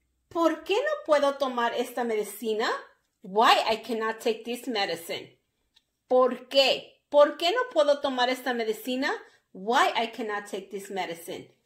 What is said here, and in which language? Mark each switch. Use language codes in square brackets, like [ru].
[es] ¿Por qué no puedo tomar esta medicina? [en] Why I cannot take this medicine. [es] ¿Por qué? ¿Por qué no puedo tomar esta medicina? [en] Why I cannot take this medicine.